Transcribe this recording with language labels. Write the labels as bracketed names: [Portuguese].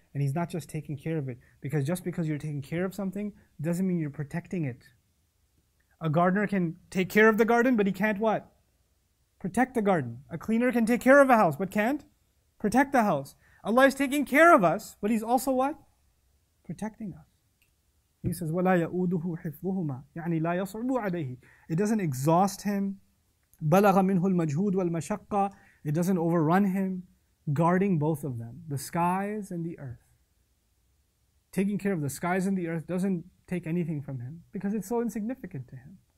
[English] And he's not just taking care of it. Because just because you're taking care of something doesn't mean you're protecting it. A gardener can take care of the garden, but he can't what? Protect the garden. A cleaner can take care of a house, but can't protect the house. Allah is taking care of us, but he's also what? Protecting us. He says, [Arabic] وَلَا يَؤُودُهُ حِفْظُهُمَا يعني لا يصعب عليه. [English] It doesn't exhaust him. [Arabic] بَلَغَ مِنْهُ الْمَجْهُودُ وَالْمَشَقَّةِ [English] It doesn't overrun him. Guarding both of them, the skies and the earth. Taking care of the skies and the earth doesn't take anything from him because it's so insignificant to him.